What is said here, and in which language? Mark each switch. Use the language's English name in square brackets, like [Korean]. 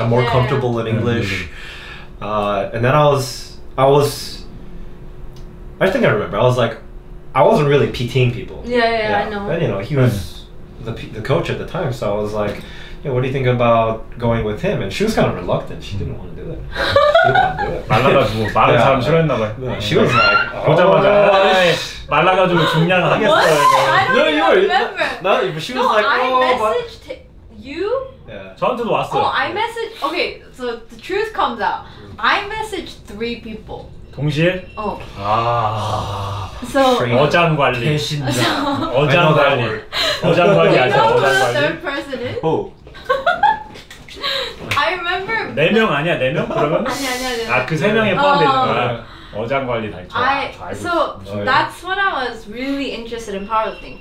[English] I'm more comfortable in English. And then I think I remember, I wasn't really PTing people. Yeah, I know. But you know, he was the coach at the time, so I was like, yeah, what do you think about going with him? And she was kind of reluctant. She didn't want to do it. She didn't want to do it. [Korean] 말라가지고 많은 사람 싫어했나 봐. [English] She was like, [Korean] 보자마자 말라가지고 중량하겠어. [English] What? I don't remember. She was like, oh, I messaged you. [Korean] Yeah. 저한테도 왔어요. [English] Oh, I messaged. Okay, so the truth comes out. I messaged 3 people. [Korean] 동시에? 어. 아. [English] So, [Korean] 어장 관리. 대신자. 어장 관리. 어장 관리 아세요? 어장 관리. [English] The third person is? Who? I remember. [Korean] 네 명 아니야? 네 명? 그러면? 아니. 아, 그 세 명에 포함되는 거야. 어장 관리 달죠. [English] So that's when I was really interested in powerlifting.